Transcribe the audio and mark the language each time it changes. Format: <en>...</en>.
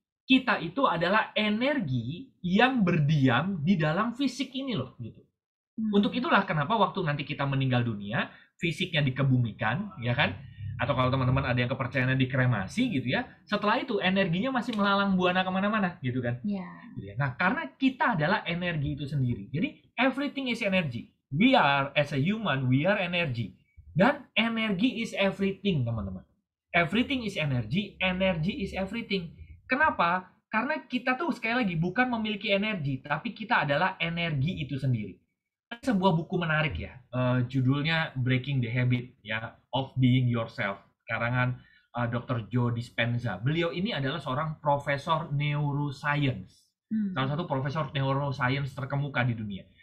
<id>Kita itu adalah energi yang berdiam di dalam fisik ini loh gitu. Untuk itulah kenapa waktu nanti kita meninggal dunia, fisiknya dikebumikan, ya kan? Atau kalau teman-teman ada yang kepercayaannya dikremasi gitu ya, setelah itu energinya masih melalang buana kemana-mana gitu kan? Iya. Nah, karena kita adalah energi itu sendiri.</id> <en>Jadi, everything is energy. We are, as a human, we are energy. Dan energy is everything, teman-teman. Everything is energy, energy is everything.</en> <id>Kenapa? Karena kita tuh sekali lagi bukan memiliki energi, tapi kita adalah energi itu sendiri. Sebuah buku menarik ya, judulnya Breaking the Habit ya of Being Yourself, karangan Dr. Joe Dispenza. Beliau ini adalah seorang profesor neuroscience, salah satu profesor neuroscience terkemuka di dunia.</id>